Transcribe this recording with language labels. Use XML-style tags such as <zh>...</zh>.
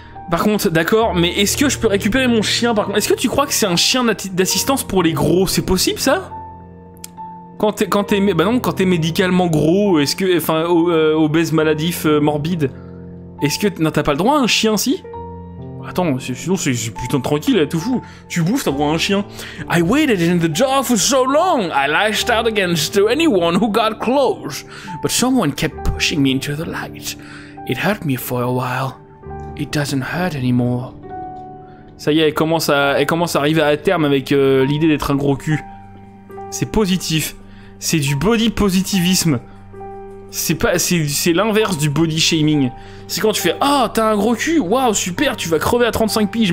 <fr>Par contre, d'accord, mais est-ce que je peux récupérer mon chien par contre? Est-ce que tu crois que c'est un chien d'assistance pour les gros? C'est possible ça? Quand t'es médicalement gros, est-ce que. Enfin, obèse maladif, morbide. Est-ce que. Non, t'as pas le droit à un chien si? Attends, sinon c'est putain de tranquille, tout fou. Tu bouffes, t'envoies un chien.</fr> <en>I waited in the jar for so long, I lashed out against to anyone who got close. But someone kept pushing me into the light. It hurt me for a while. It doesn't hurt anymore.</en> <fr>Ça y est, elle commence à arriver à terme avec l'idée d'être un gros cul. C'est positif. C'est du body positivisme. C'est l'inverse du body shaming. C'est quand tu fais oh t'as un gros cul, waouh super, tu vas crever à 35 piges.</fr>